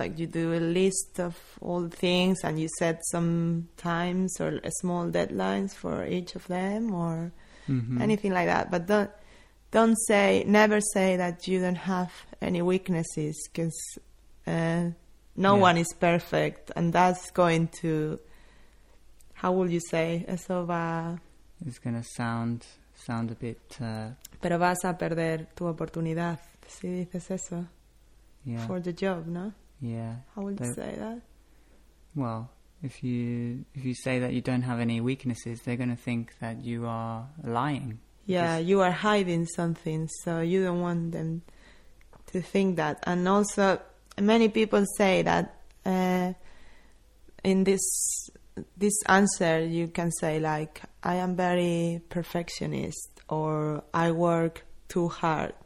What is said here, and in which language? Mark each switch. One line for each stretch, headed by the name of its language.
English: Like you do a list of all the things and you set some times or a small deadlines for each of them or anything like that. But never say that you don't have any weaknesses, because no one is perfect. And that's going to, how will you say, it's going to sound a bit...
Spanish: Pero vas a perder tu oportunidad, si dices eso.
English: Yeah. For the job, no? Yeah. How would you say that? Well, if you say that you don't have any weaknesses, they're going to think that you are lying. Yeah, you are hiding something, so you don't want them to think that. And also, many people say that in this answer, you can say like, I am very perfectionist, or I work too hard.